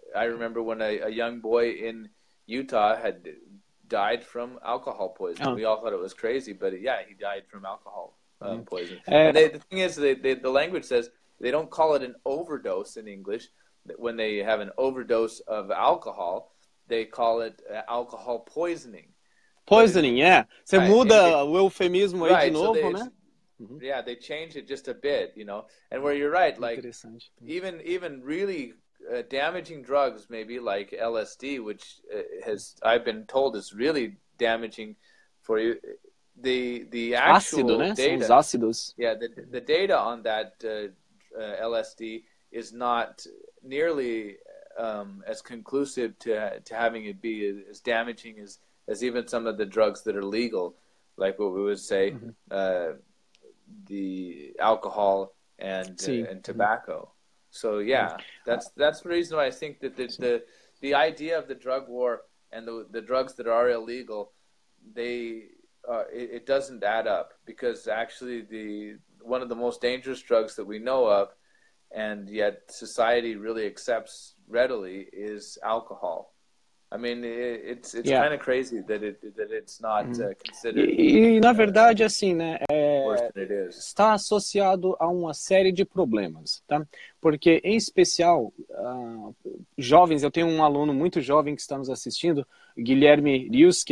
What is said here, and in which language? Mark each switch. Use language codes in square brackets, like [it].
[en] I remember when a young boy in Utah had died from alcohol poison. Oh. We all thought it was crazy, but yeah, he died from alcohol poison. And the thing is, the language says they don't call it an overdose in English. When they have an overdose of alcohol, they call it alcohol poisoning. [pt] Poisoning, Você muda o eufemismo aí de novo, né? [en] Yeah, they change it just a bit, you know. And where you're right, like, even really damaging drugs, maybe like LSD, which I've been told is really damaging for you. The actual [pt] ácido, né? [en] Data, [pt] são os ácidos. [en] Yeah, the data on that LSD is not nearly as conclusive to having it be as damaging as even some of the drugs that are legal, like what we would say, the alcohol and tobacco. Mm-hmm. So yeah, that's the reason why I think that the idea of the drug war and the drugs that are illegal, it doesn't add up, because actually the one of the most dangerous drugs that we know of, and yet society really accepts readily, is alcohol. I mean, it's kind of crazy that it's not considered. [pt] E na verdade, assim, né? [en] Worse than it is. [pt] Está associado a uma série de problemas, tá? Porque, em especial, jovens, eu tenho um aluno muito jovem que está nos assistindo, Guilherme Ryusuke.